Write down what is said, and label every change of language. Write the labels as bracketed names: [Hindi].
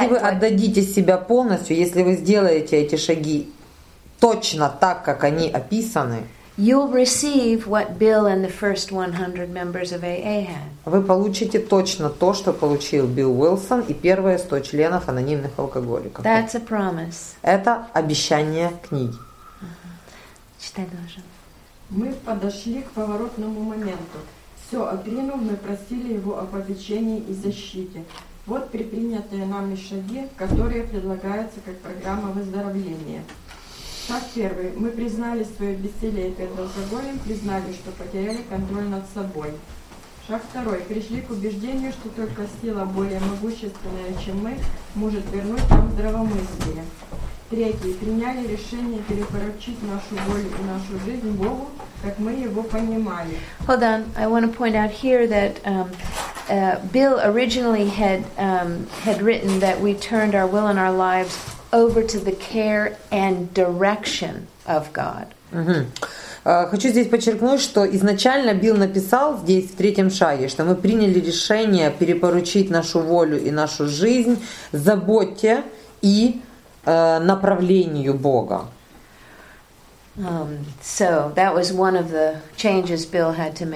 [Russian] Если вы отдадите себя полностью, если вы сделаете эти шаги точно так, как они описаны, [English] you'll receive what Bill and the first 100 members of AA had. [Russian] Вы получите точно то, что получил Билл Уилсон и первые 100 членов анонимных алкоголиков. [English] That's a promise. [Russian] Это обещание книги. Читай дальше. Мы подошли к поворотному моменту. Все, отринув, мы просили его об обучении и защите. Вот предпринятые нами шаги, которые предлагаются как программа выздоровления. Шаг первый. Мы признали свое бессилие перед алкоголем, признали, что потеряли контроль над собой. Шаг второй. Пришли к убеждению, что только сила более могущественная, чем мы, может вернуть нам здравомыслие. Третий. Приняли решение перепоручить нашу волю и нашу жизнь Богу, как мы его понимали. [English] Hold on. I want to point out here that Bill originally had written that we turned our will and our lives over to the care and direction of God. Mm-hmm. [Russian] Хочу здесь подчеркнуть, что изначально Билл написал здесь в третьем шаге, что мы приняли решение перепоручить нашу волю и нашу жизнь заботе и направлению Бога. [English] So that was one of the changes Bill had to make.